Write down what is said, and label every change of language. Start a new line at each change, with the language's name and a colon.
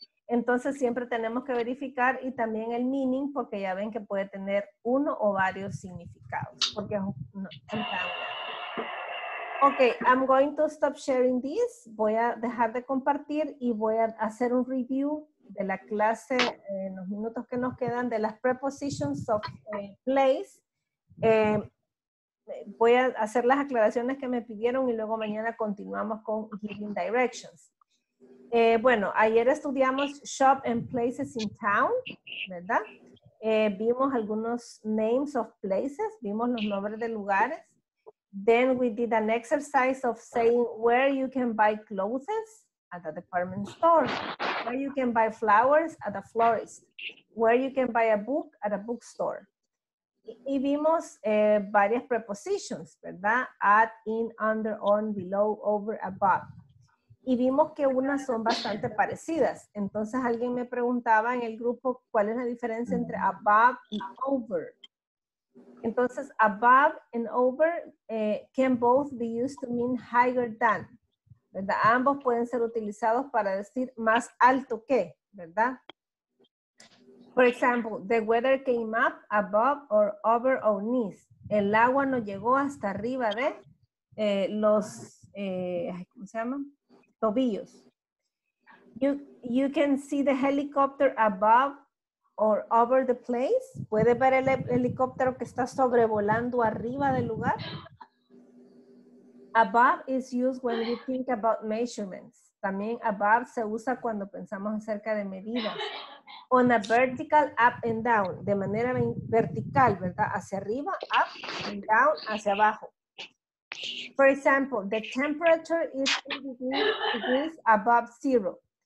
Spanish: Entonces siempre tenemos que verificar y también el meaning, porque ya ven que puede tener uno o varios significados. Porque
English: ok, I'm going to stop sharing this.
Spanish: Voy a dejar de compartir y voy a hacer un review de la clase en los minutos que nos quedan de las prepositions of place. Voy a hacer las aclaraciones que me pidieron y luego mañana continuamos con giving directions. Bueno, ayer estudiamos shop and places in town, ¿verdad? Vimos algunos
English: names of places,
Spanish: vimos los nombres de lugares.
English: Then we did an exercise of saying where you can buy clothes at a department store. Where you can buy flowers at a florist. Where you can buy a book at a bookstore.
Spanish: Y vimos varias prepositions, ¿verdad? At, in, under, on, below, over, above. Y vimos que unas son bastante parecidas. Entonces alguien me preguntaba en el grupo, ¿cuál es la diferencia entre above y over? Entonces,
English: above and over can both be used to mean higher than, ¿verdad?
Spanish: Ambos pueden ser utilizados para decir más alto que, ¿verdad?
English: For example, the weather came up above or over our knees.
Spanish: El agua no llegó hasta arriba de los, ¿cómo se llama? Tobillos.
English: You can see the helicopter above or over the place.
Spanish: ¿Puede ver el helicóptero que está sobrevolando arriba del lugar?
English: Above is used when we think about measurements.
Spanish: También above se usa cuando pensamos acerca de medidas.
English: On a vertical, up and down,
Spanish: de manera vertical, ¿verdad? Hacia arriba,
English: up and down,
Spanish: hacia abajo.
English: For example, the temperature is 3 degrees above zero.